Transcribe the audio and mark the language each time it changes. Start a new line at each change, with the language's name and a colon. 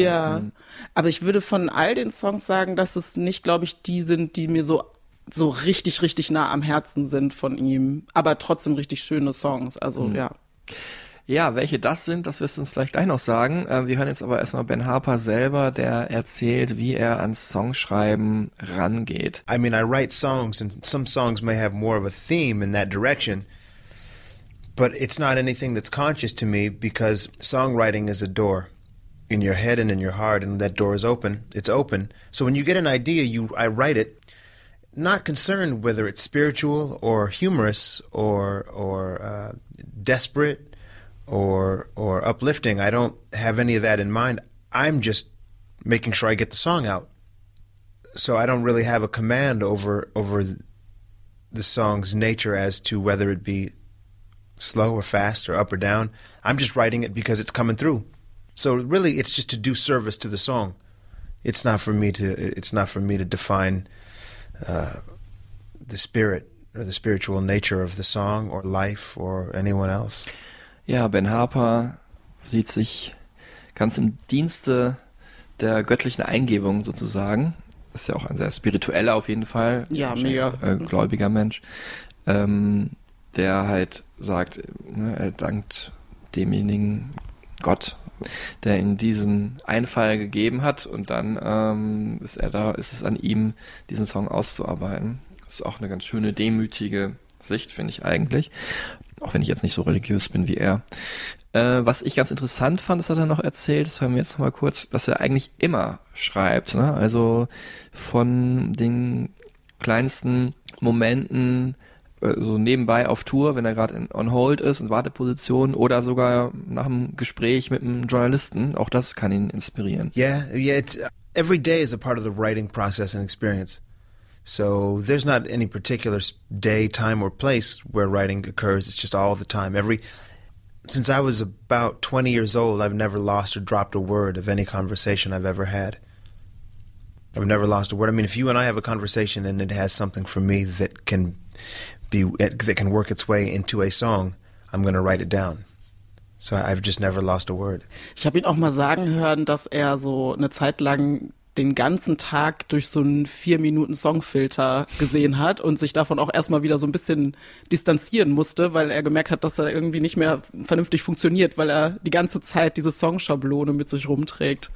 German: Ja, aber ich würde von all den Songs sagen, dass es nicht, glaube ich, die sind, die mir so, so richtig, richtig nah am Herzen sind von ihm, aber trotzdem richtig schöne Songs, also ja. Ja, welche das sind, das wirst du uns vielleicht gleich noch sagen. Wir hören jetzt aber erstmal Ben Harper selber, der erzählt, wie er ans Songschreiben rangeht.
English: I mean, I write songs and some songs may have more of a theme in that direction. But it's not anything that's conscious to me because songwriting is a door in your head and in your heart, and that door is open. It's open. So when you get an idea, I write it, not concerned whether it's spiritual or humorous or desperate or uplifting. I don't have any of that in mind. I'm just making sure I get the song out. So I don't really have a command over the song's nature as to whether it be slow or fast or up or down. I'm just writing it because it's coming through. So really, it's just to do service to the song. It's not for me to define the spirit or the spiritual nature of the song or life or anyone else.
German: Ja, Ben Harper sieht sich ganz im Dienste der göttlichen Eingebung sozusagen. Ist ja auch ein sehr spiritueller auf jeden Fall. Ja, mega. Gläubiger Mensch. Der halt sagt, ne, er dankt demjenigen Gott, der ihm diesen Einfall gegeben hat. Und dann ist es an ihm, diesen Song auszuarbeiten. Das ist auch eine ganz schöne, demütige Sicht, finde ich eigentlich. Auch wenn ich jetzt nicht so religiös bin wie er. Was ich ganz interessant fand, das hat er noch erzählt, das hören wir jetzt nochmal kurz, dass er eigentlich immer schreibt, ne? Also von den kleinsten Momenten, so nebenbei auf Tour, wenn er gerade on hold ist, in Warteposition, oder sogar nach einem Gespräch mit einem Journalisten, auch das kann ihn inspirieren.
English: Every day is a part of the writing process and experience. So there's not any particular day, time or place where writing occurs. It's just all the time. Since I was about 20 years old, I've never lost or dropped a word of any conversation I've ever had. I've never lost a word. I mean, if you and I have a conversation and it has something for me that can be, that can work its way into a song, I'm going to write it down. So I've just never lost a word.
German: Ich habe ihn auch mal sagen hören, dass er so eine Zeit lang den ganzen Tag durch so einen 4-Minuten Songfilter gesehen hat und sich davon auch erstmal wieder so ein bisschen distanzieren musste, weil er gemerkt hat, dass er irgendwie nicht mehr vernünftig funktioniert, weil er die ganze Zeit diese Songschablone mit sich rumträgt.